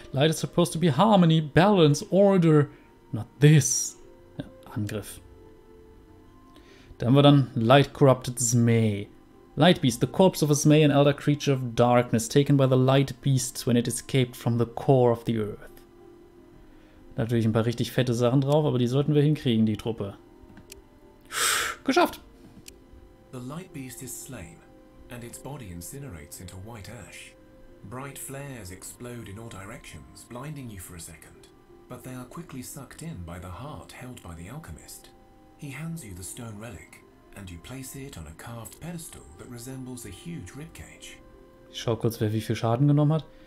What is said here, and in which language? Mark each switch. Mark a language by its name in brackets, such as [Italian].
[English] Light is supposed to be harmony, balance, order, not this. [German] Ja, Angriff. Da haben wir dann [English] Light Corrupted Esmei. Light Beast, the corpse of Esmei, an elder creature of darkness, taken by the light beasts when it escaped from the core of the earth. [German] Natürlich ein paar richtig fette Sachen drauf, aber die sollten wir hinkriegen, die Truppe. Geschafft! [English] The light beast is slain. And its body incinerates into white ash. Bright flares explode in all directions, blinding you for a second. But they are quickly sucked in by the heart held by the alchemist. He hands you the stone relic, and you place it on a carved pedestal that resembles a huge ribcage. [German] Ich schau kurz, wer wie viel Schaden genommen hat.